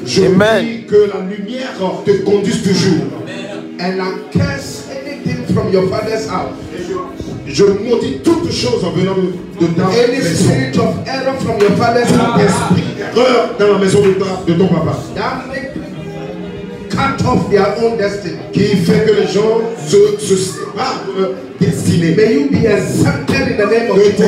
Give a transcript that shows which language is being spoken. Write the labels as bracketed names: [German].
[French] Je prie que la lumière te conduise toujours. [English] And I curse anything from your father's house. [French] Je maudis toutes choses en venant de ta maison. [English] Any spirit of error from your father's house. [French] Esprit d'erreur dans la maison de ton papa. [English] Cut off their own destiny. [French] Qui fait que les gens se séparent destinés. [English] May you be exempted in the name of Jesus.